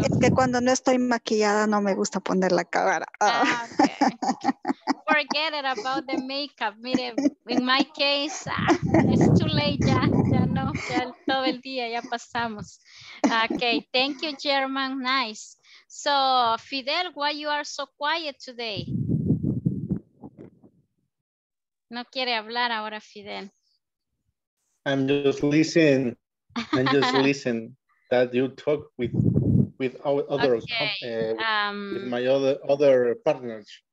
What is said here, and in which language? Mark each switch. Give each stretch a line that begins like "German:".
Spanish: Es que cuando no estoy maquillada no me gusta poner la cámara.
English: Ah, okay. Forget it about the makeup. Mire, in my case, it's too late ya.
Spanish: Ya no, ya todo el día ya pasamos.
English: Okay, thank you, German. Nice. So, Fidel, why you are so quiet today?
Spanish: No quiere hablar ahora, Fidel.
English: I'm just listening. I'm just listening that you talk with our other with my other partners.